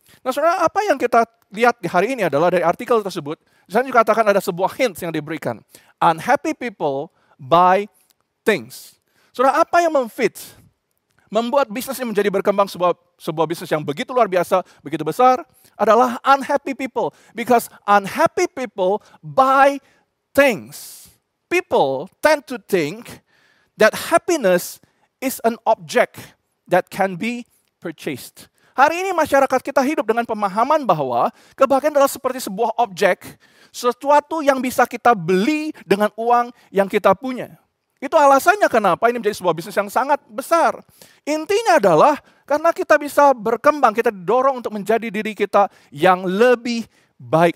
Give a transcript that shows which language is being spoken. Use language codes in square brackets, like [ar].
[id] Nah, saudara, apa yang kita lihat di hari ini adalah dari artikel tersebut, saya juga katakan ada sebuah hints yang diberikan. [en] Unhappy people buy things. [id] Saudara, apa yang memfit, membuat bisnis ini menjadi berkembang sebuah bisnis yang begitu luar biasa, begitu besar, adalah unhappy people. [en] Because unhappy people buy things. People tend to think that happiness is an object that can be purchased. [id] Hari ini masyarakat kita hidup dengan pemahaman bahwa kebahagiaan adalah seperti sebuah objek, sesuatu yang bisa kita beli dengan uang yang kita punya. Itu alasannya kenapa ini menjadi sebuah bisnis yang sangat besar. Intinya adalah karena kita bisa berkembang, kita didorong untuk menjadi diri kita yang lebih baik.